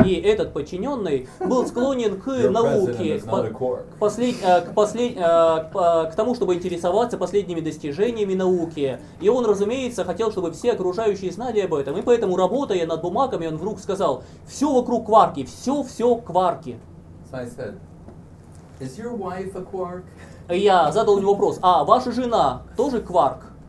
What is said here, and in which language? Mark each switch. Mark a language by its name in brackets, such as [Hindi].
[Russian] И этот подчиненный был склонен к науке, к тому, чтобы интересоваться последними достижениями науки. И он, разумеется, хотел, чтобы все окружающие знали об этом. И поэтому, работая над бумагами, он вдруг сказал, все вокруг кварки, все-все кварки. [English] So I said, is your wife a quark? [Russian] Я задал ему вопрос, а ваша жена тоже кварк?